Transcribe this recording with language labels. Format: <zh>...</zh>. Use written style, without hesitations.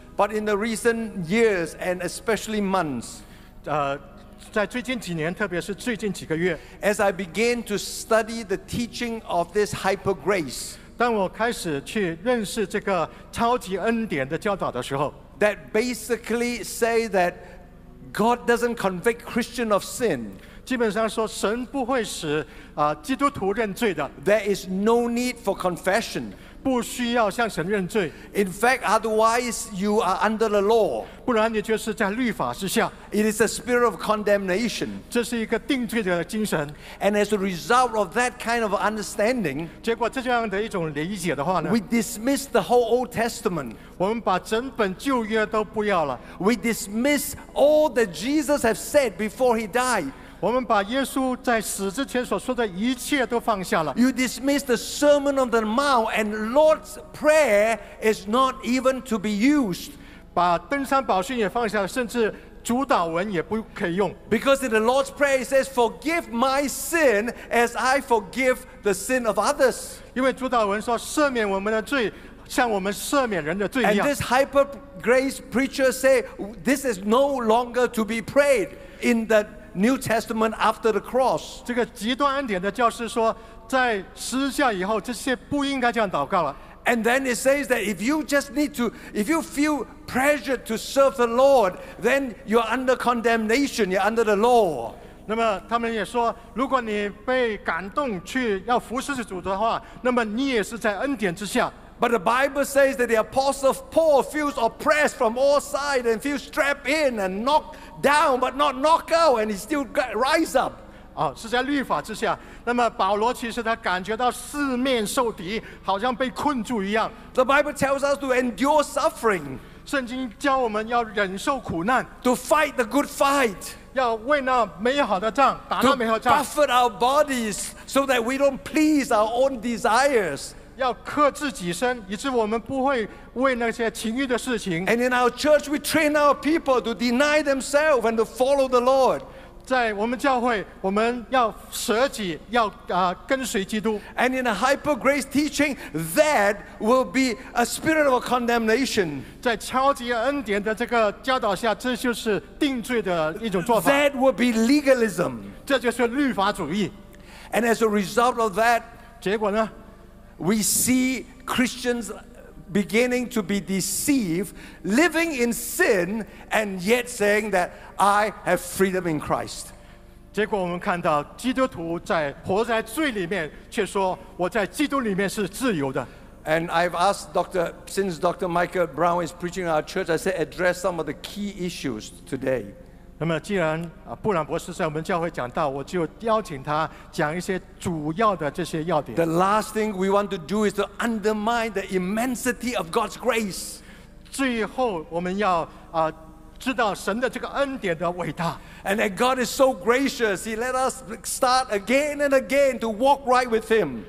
<en>But in the recent years and especially months,</en> <zh>在最近几年，特别是最近几个月，</zh> <en>as I began to study the teaching of this hyper grace,</en> <zh>当我开始去认识这个超级恩典的教导的时候</zh> <en>，that basically say that God doesn't convict Christian of sin，</en> <zh>基本上说神不会使基督徒认罪的。</zh> <en>There is no need for confession，</en> <zh>不需要向神认罪。</zh> <en>In fact, otherwise you are under the law，</en> <zh>不然你就是在律法之下。</zh> <en>It is a spirit of condemnation，</en> <zh>这是一个定罪的精神。</zh> <en>And as a result of that kind of understanding，</en> <zh>结果这样的一种理解的话呢，</zh> <en>we dismiss the whole Old Testament，</en> <zh>我们把整本旧约都不要了。</zh> <en>We dismiss all that Jesus has said before he died，</en> <zh>我们把耶稣在死之前所说的一切都放下了。</zh> <en>You dismiss the Sermon on the Mount and Lord's Prayer is not even to be used，</en> <zh>把登山宝训也放下了，甚至主导文也不可以用。</zh> <en>Because in the Lord's Prayer it says forgive my sin as I forgive the sin of others，</en> <zh>因为主导文说赦免我们的罪像我们赦免人的罪一样。</zh> <en>And this hyper grace preacher say this is no longer to be prayed in the New Testament after the cross，</en> <zh>这个极端恩典的教师说在十字架以后这些不应该这样祷告了。</zh> <en>And then it says that if you just need to, if you feel pressured to serve the Lord, then you're under condemnation, you're under the law.</en> <zh>那么他们也说，如果你被感动去要服侍主的话，那么你也是在恩典之下。</zh> <en>But the Bible says that the apostle Paul feels oppressed from all sides and feels strapped in and knocked down, but not knocked out, and he still rise up.</en> <zh>是在律法之下。那么保罗其实他感觉到四面受敌，好像被困住一样。</zh> <en>The Bible tells us to endure suffering，</en> <zh>圣经教我们要忍受苦难。</zh> <en>To fight the good fight，</en> <zh>要为那美好的仗打那美好的仗。</zh> <en>To buffet our bodies so that we don't please our own desires，</en> <zh>要克制己身，以致我们不会为那些情欲的事情。</zh> <en>And in our church we train our people to deny themselves and to follow the Lord，</en> <zh>在我们教会我们要舍己，要跟随基督。</zh> <en>And in a hyper grace teaching that will be a spirit of condemnation，</en> <zh>在超级恩典的这个教导下这就是定罪的一种做法。</zh> <en>That will be legalism，</en> <zh>这就是律法主义。</zh> <en>And as a result of that，</en> <zh>结果呢，</zh> <en>we see Christians beginning to be deceived living in sin and yet saying thatI have freedom in Christ。</en> <zh>结果我们看到基督徒在活在罪里面，却说我在基督里面是自由的。</zh> <en>And I've asked Dr. since Dr. Michael Brown is preaching our church, I said address some of the key issues today。</en> <zh>那么既然布朗博士在我们教会讲到，我就邀请他讲一些主要的这些要点。</zh> <en>The last thing we want to do is to undermine the immensity of God's grace。</en> <zh>最后我们要知道神的这个恩典的伟大。</zh> <en>And that God is so gracious, He let us start again and again to walk right with Him.</en>